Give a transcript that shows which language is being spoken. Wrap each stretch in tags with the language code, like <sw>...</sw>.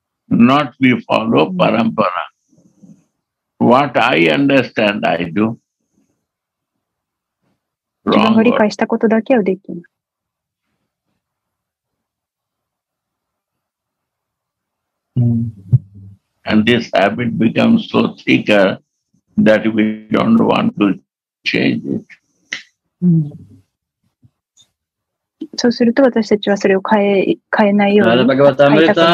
<en>Not we follow parampara. What I understand, I do.</en> <ja>自分が理解したことだけをできる。And</ja> <en>this habit becomes so thicker that we don't want to change it.</en> <ja>そうすると私たちはそれを変えないように。バガヴァタ・アムリータ、</ja>